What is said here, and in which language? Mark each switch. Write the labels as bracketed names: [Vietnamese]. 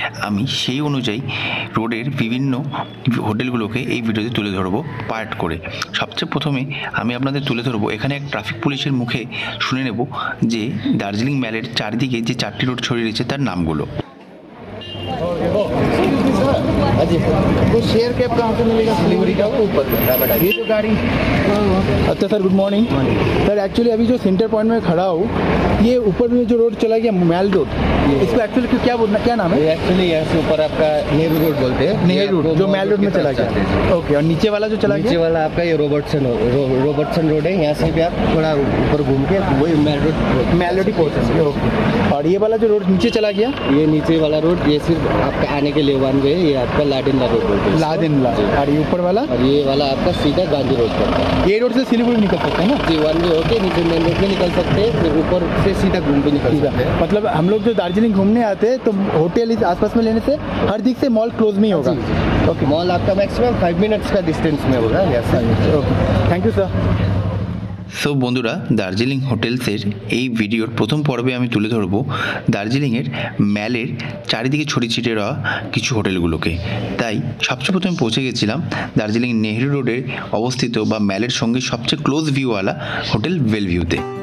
[Bangla] আমি সেই অনুযায়ী রোডের বিভিন্ন হোটেলগুলোকে এই ভিডিওতে তুলে ধরবো পার্ট করে। সবচেয়ে প্রথমে আমি আপনাদের তুলে ধরবো এখানে এক ট্রাফিক পুলিশের মুখে শুনে নেব যে দার্জিলিং ম্যালের চারিদিকে যে চারটি রোড ছড়িয়ে রয়েছে তার নামগুলো। [Hindi] शेयर कैब कहाँ से मिलेगा? डिलीवरी का ऊपर ये जो गाड़ी। अच्छा sir, good morning sir. Actually अभी जो सेंटर पॉइंट में खड़ा हूँ, ये ऊपर में जो रोड चला गया मैल रोड, इसको एक्चुअली क्या बोलना, क्या नाम है? एक्चुअली यहाँ ऊपर आपका नेहरू रोड बोलते हैं, नेहरू रोड जो मैल रोड में चला गया। ओके, और नीचे वाला जो चला गया? नीचे वाला आपका ये रॉबर्टसन रॉबर्टसन रोड है, यहाँ से भी आप थोड़ा ऊपर घूम के वही मैल रोड ही पहुँच सकते हो। और ये वाला जो रोड नीचे चला गया, ये नीचे वाला रोड ये सिर्फ आपका आने के लिए वन वे, ये आपका लादेनला रोड बोलते हैं, लादेनला। और ये ऊपर वाला? और ये वाला आपका सीधा गांधी रोड पर, ये रोड से सिलीगुड़ी निकल सकते हैं ना जी, वन वे होके नीचे मेन रोड में निकल सकते हैं, फिर ऊपर से सीधा घूम के निकल सकते हैं। मतलब हम लोग जो दार्जिलिंग घूमने आते हैं तो होटल इस आसपास में लेने से हर दिक से मॉल क्लोज में ही होगा। ओके, मॉल आपका मैक्सिमम 5 मिनट्स का डिस्टेंस में होगा। Yes sir, okay, thank you sir. [Bangla] So বন্ধুরা, দার্জিলিং হোটেলসের এই ভিডিওর প্রথম পর্বে আমি তুলে ধরবো দার্জিলিংয়ের ম্যালের চারিদিকে ছড়িয়ে ছিটিয়ে রওয়া কিছু হোটেলগুলোকে। তাই সবচেয়ে প্রথমে পৌঁছে গেছিলাম দার্জিলিং নেহরু রোডে অবস্থিত বা ম্যালের সঙ্গে সবচেয়ে ক্লোজ ভিউওয়ালা হোটেল বেলভিউতে।